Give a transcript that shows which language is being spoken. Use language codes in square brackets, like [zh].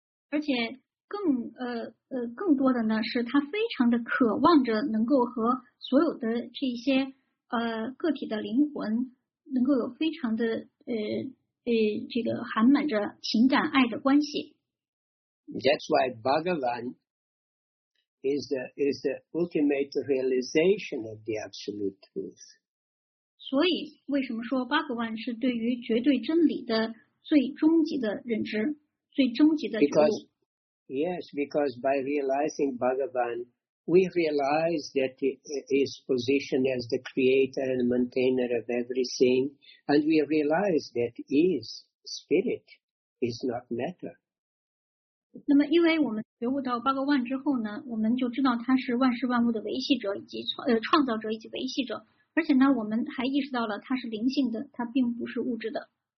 [zh] 而且更多的呢，是他非常的渴望着能够和所有的这些个体的灵魂能够有非常的这个含满着情感爱的关系。 [en] That's why Bhagavan is the ultimate realization of the absolute truth. [zh] 所以为什么说巴格万是对于绝对真理的最终极的认知，最终极的觉悟？ [en] Because by realizing Bhagavan, we realize that he is positioned as the creator and maintainer of everything, and we realize that he is spirit, is not matter. [zh] 那么因为我们觉悟到巴格万之后呢，我们就知道他是万事万物的维系者以及创造者以及维系者，而且呢我们还意识到了他是灵性的，他并不是物质的。